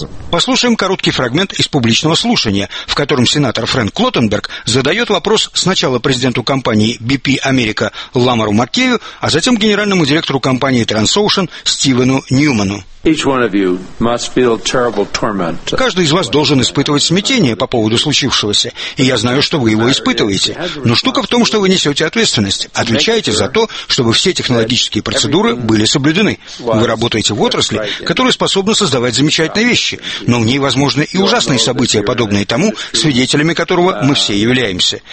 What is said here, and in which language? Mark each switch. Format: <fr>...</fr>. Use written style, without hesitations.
<ru>Послушаем короткий фрагмент из публичного слушания, в котором сенатор Фрэнк Клоттенберг задает вопрос сначала президенту компании BP America Ламару Маккею, а затем генеральному директору компании Transocean Стивену Ньюману.</ru> <en>Each one of you must feel terrible torment.</en> <ru>Каждый из вас должен испытывать смятение по поводу случившегося, и я знаю, что вы его испытываете. Но штука в том, что вы несете ответственность, отвечаете за то, чтобы все технологические процедуры были соблюдены. Вы работаете в отрасли, которая способна создавать замечательные вещи, но в ней возможны и ужасные события, подобные тому, свидетелями которого мы все являемся.</ru>